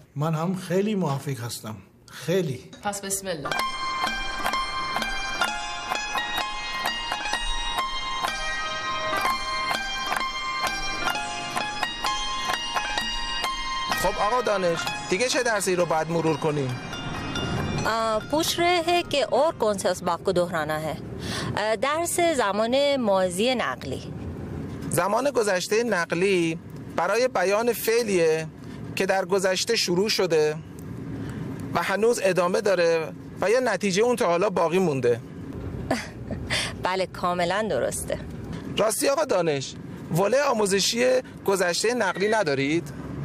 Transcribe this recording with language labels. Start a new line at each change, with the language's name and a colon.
Persian: من هم خیلی موافق هستم خیلی پس بسم الله خب آقا دانش دیگه چه درسی رو باید مرور کنیم؟
Urdu: پوچھ رہے کہ اور کون سے سبق کو دہرانا ہے
Persian: درس زمان ماضی نقلی زمان گذشته نقلی برای بیان فعلیه که در گذشته شروع شده و هنوز ادامه داره و یا نتیجه اون تا حالا باقی مونده بله کاملا درسته راستی آقا دانش وله آموزشی گذشته نقلی ندارید؟